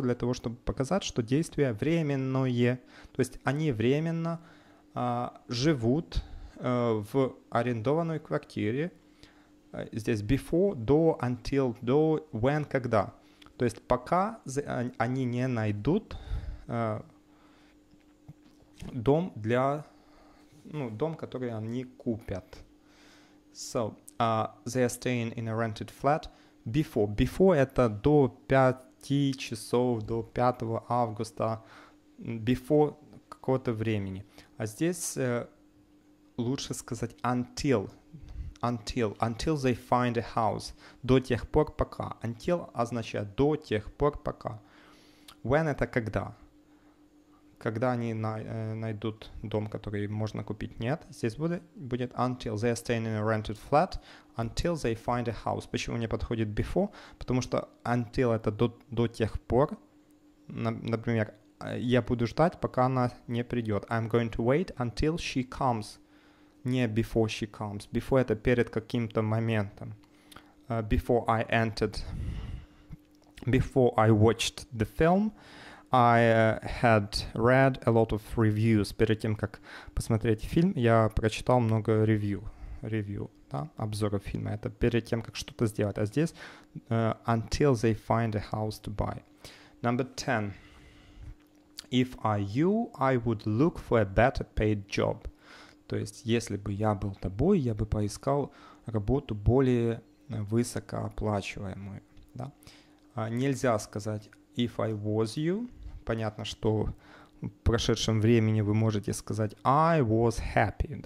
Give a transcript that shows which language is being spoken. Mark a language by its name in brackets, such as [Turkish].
[Russian] Для того, чтобы показать, что действие временное. То есть они временно живут в арендованной квартире. Здесь before, до, until, до, when, когда. То есть пока они не найдут дом для, ну, дом, который они купят. [English] So, they are staying in a rented flat before. [Russian] Before – это до 5 часов, до 5 августа, before какого-то времени. А здесь лучше сказать until, until, [English] until they find a house, [Russian] до тех пор, пока. Until означает до тех пор, пока. When – это когда. когда они найдут дом, который можно купить, нет. Здесь будет [English] until they are staying in a rented flat, until they find a house. [Russian] Почему не подходит before? Потому что until — это до тех пор. Например, я буду ждать, пока она не придет. [English] I'm going to wait until she comes. [Russian] Не [English] before she comes. [Russian] Before — это перед каким-то моментом. [English] Before I entered. Before I watched the film, I had read a lot of reviews. [Russian] Перед тем, как посмотреть фильм, я прочитал много ревью. Ревью, да, обзоров фильма. Это перед тем, как что-то сделать. А здесь [English] until they find a house to buy. Number 10. If I you, I would look for a better paid job. [Russian] То есть, если бы я был тобой, я бы поискал работу более высокооплачиваемую. Да? Нельзя сказать [English] if I was you. [Russian] Понятно, что в прошедшем времени вы можете сказать [English] I was happy.